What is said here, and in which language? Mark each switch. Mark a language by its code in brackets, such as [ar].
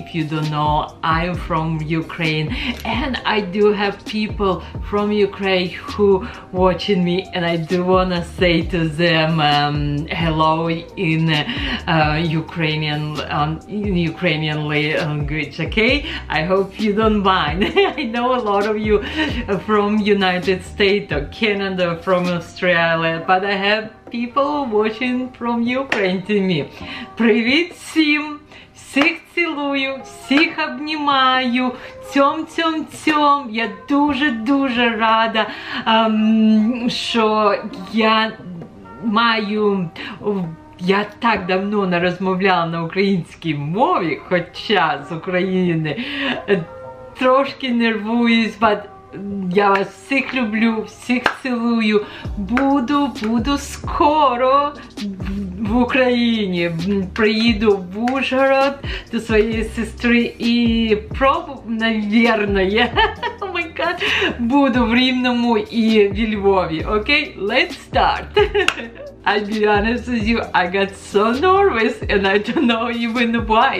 [en] If you don't know, I'm from Ukraine and I do have people from Ukraine who watching me, and I do want to say to them hello in Ukrainian language, okay? I hope you don't mind. I know a lot of you from United States or Canada, from Australia, but I have people watching from Ukraine to me. [uk] Привіт всім! Всіх цілую, всіх обнімаю, цьом-цьом-цьом. Я дуже-дуже рада, що я маю... Я так давно не розмовляла на українській мові, хоча з України трошки нервуюсь, but я вас всіх люблю, всіх цілую. Буду скоро в Україні. Приїду в Ужгород до своєї сестри і наверное, буду в Рівному і в Львові. [en] Окей, let's start. I'll be honest with you, I got so nervous and I don't know even why.